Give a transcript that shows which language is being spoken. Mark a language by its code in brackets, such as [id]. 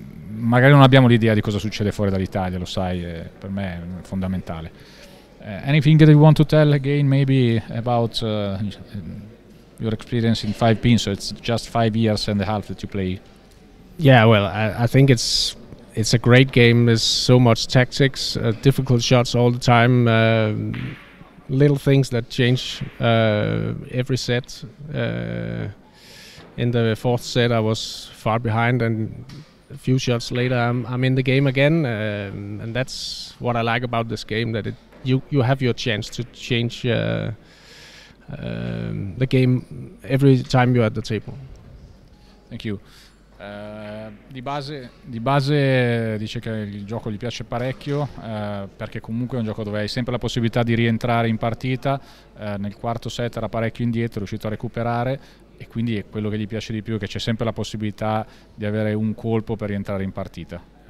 [it] Magari non abbiamo l'idea di cosa succede fuori dall'Italia, lo sai, per me è fondamentale. [en] Anything that you want to tell again, maybe about your experience in five pins? So it's just 5 years and a half that you play. Yeah, well, I think it's a great game. There's so much tactics, difficult shots all the time, little things that change every set. In the fourth set, I was far behind and a few shots later I'm in the game again, and that's what I like about this game, that you have your chance to change the game every time you're at the table. Thank you. [it] Di base dice che il gioco gli piace parecchio, perché comunque è un gioco dove hai sempre la possibilità di rientrare in partita. Nel quarto set era parecchio indietro, è riuscito a recuperare, e quindi è quello che gli piace di più, che c'è sempre la possibilità di avere un colpo per rientrare in partita.